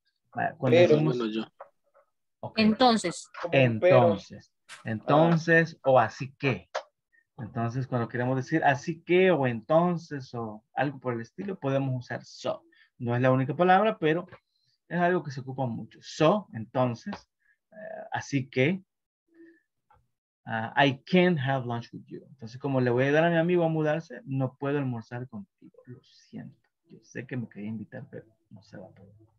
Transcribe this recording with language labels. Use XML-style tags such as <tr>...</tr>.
<es>Cuando pero, decimos... bueno, yo. Okay. Entonces. Entonces. Pero... entonces, ah. O así que. Entonces, cuando queremos decir así que, o entonces, o algo por el estilo, podemos usar so. No es la única palabra, pero es algo que se ocupa mucho.</es> <en>So,</en> <es>entonces, así que,</es> <en>I can't have lunch with you.</en> <es>Entonces, como le voy a ayudar a mi amigo a mudarse, no puedo almorzar contigo. Lo siento. Yo sé que me quería invitar, pero no se va a poder.</es>